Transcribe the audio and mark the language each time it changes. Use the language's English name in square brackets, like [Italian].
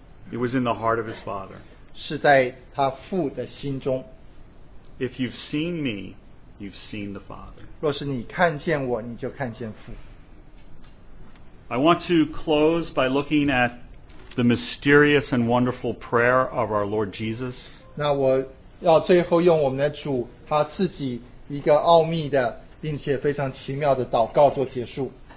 [English] It was in the heart of his father. [Chinese] 是在他父的心中。 [English] If you've seen me, you've seen the Father. [Chinese] 若是你看见我, 你就看见父。 [English] I want to close by looking at the mysterious and wonderful prayer of our Lord Jesus. [Chinese] 那我要最后用我们的主, 他自己一个奥秘的, 并且非常奇妙的祷告做结束。